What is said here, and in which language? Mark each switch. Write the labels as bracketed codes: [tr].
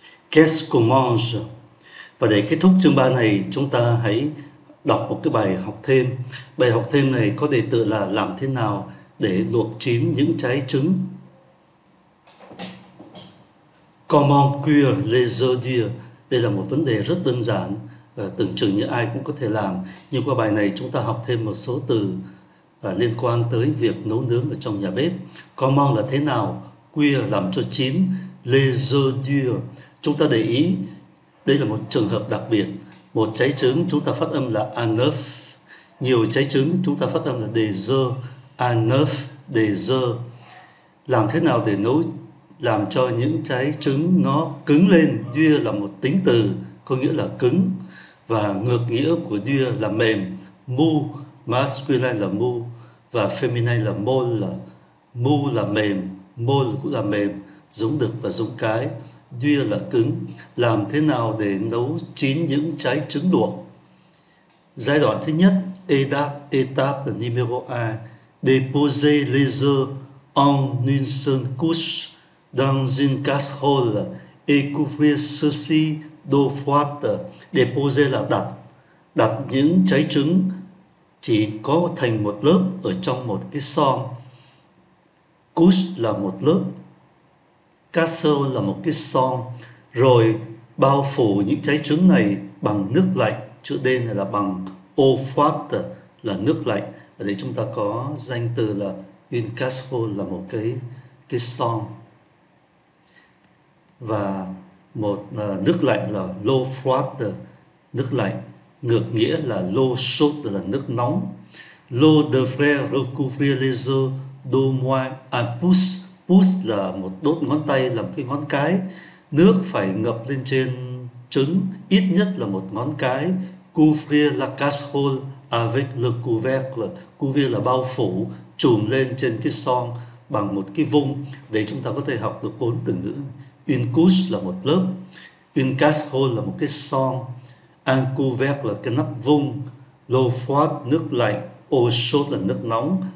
[fr] Qu'est-ce qu'on mange? [vi] Và để kết thúc chương 3 này, chúng ta hãy đọc một cái bài học thêm. Bài học thêm này có đề tựa là làm thế nào để luộc chín những trái trứng. [fr] Comment cuire les œufs durs? [vi] Đây là một vấn đề rất đơn giản, tưởng chừng như ai cũng có thể làm. Nhưng qua bài này chúng ta học thêm một số từ liên quan tới việc nấu nướng ở trong nhà bếp. Comment là thế nào, cuire làm cho chín, [fr] les œufs durs. [vi] Chúng ta để ý, đây là một trường hợp đặc biệt. Một trái trứng chúng ta phát âm là [fr] un œuf. [vi] Nhiều trái trứng chúng ta phát âm là [fr] des œufs, un œuf, des œufs. [vi] Làm thế nào để nấu, làm cho những trái trứng nó cứng lên. Dure là một tính từ, có nghĩa là cứng. Và ngược nghĩa của dure là mềm, mu. Masculine là mu và feminine là mol. Mu là mềm, mol cũng là mềm, giống đực và giống cái. Dure là cứng. Làm thế nào để nấu chín những trái trứng luộc? Giai đoạn thứ nhất, [fr] étape numéro 1. Déposer les œufs en une seule couche dans une casserole et couvrir ceci d'eau froide. [vi] Déposer là đặt. Đặt những trái trứng chỉ có thành một lớp ở trong một cái son. Couche là một lớp, casserole là một cái son. Rồi bao phủ những trái trứng này bằng nước lạnh. Chữ D này là bằng [fr] eau froide, [vi] là nước lạnh. Ở đây chúng ta có danh từ là [fr] une casserole, [vi] là một cái son. Và một nước lạnh là [fr] l'eau froide, [vi] nước lạnh. Ngược nghĩa là [fr] l'eau chaude, [vi] là nước nóng. [fr] L'eau devrait recouvrir les œufs d'au moins un pouce. [vi] Pouce là một đốt ngón tay, là một cái ngón cái. Nước phải ngập lên trên trứng ít nhất là một ngón cái. [fr] Couvrir la casserole avec le couvercle. [vi] Couvrir là bao phủ, trùm lên trên cái son bằng một cái vung. Để chúng ta có thể học được bốn từ ngữ. [fr] Une couche [vi] là một lớp. [fr] Une casserole [vi] là một cái son. [fr] Un couvercle [vi] là cái nắp vung, [fr] l'eau froide [vi] nước lạnh, [fr] eau chaude [vi] là nước nóng.